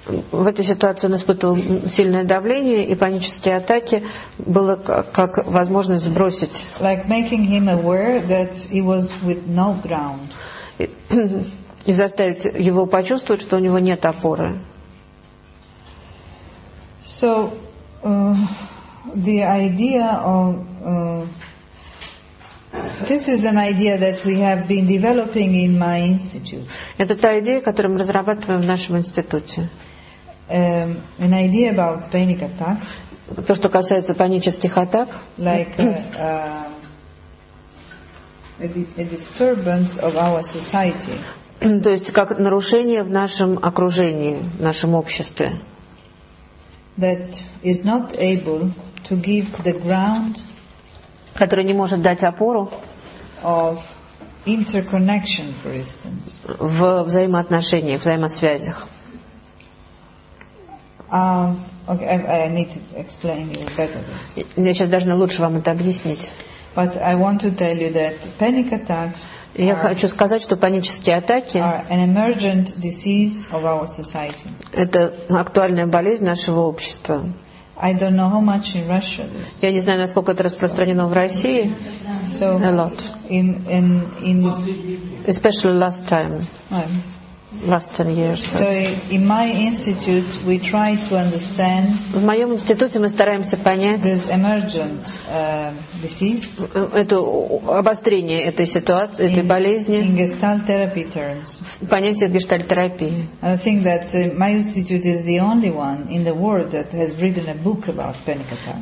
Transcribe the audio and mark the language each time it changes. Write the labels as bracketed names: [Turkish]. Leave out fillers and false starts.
[Russian] В этой ситуации он испытывал сильное давление, и панические атаки было как возможность сбросить. [English] Like making him aware that he was with no ground. [Russian] И заставить его почувствовать, что у него нет опоры. [English] So the idea of this is an idea that we have been developing in my institute. [Russian] Это та идея, которую мы разрабатываем в нашем институте. [English] An idea about panic attacks. [Russian] То, что касается панических атак. [English] Like a disturbance of our society. [Russian] То есть как нарушение в нашем окружении, в нашем обществе. [English] That is not able to give the ground. [Russian] Который не может дать опору [English] of interconnection, for instance. [Russian] В взаимоотношениях, взаимосвязях. [English] Okay, I need to explain you better this. [Russian] Я сейчас должна лучше вам это объяснить. [English] But I want to tell you that panic attacks. [Russian] Я хочу сказать, что панические атаки [English] are an emergent disease of our society. [Russian] Это актуальная болезнь нашего общества. [English] I don't know how much in Russia this. [Russian] Я не знаю, насколько это распространено в России. [English] So a lot. In especially last time. Last 10 years. So in my institute we try to understand. [Russian] В моём институте мы стараемся понять [English] this emergent disease. [Russian] Это обострение этой ситуации, этой болезни. [English] In gestalt therapy terms. [Russian] Понятие гештальт-терапии. [English] I think that my institute is the only one in the world that has written a book about panic attacks.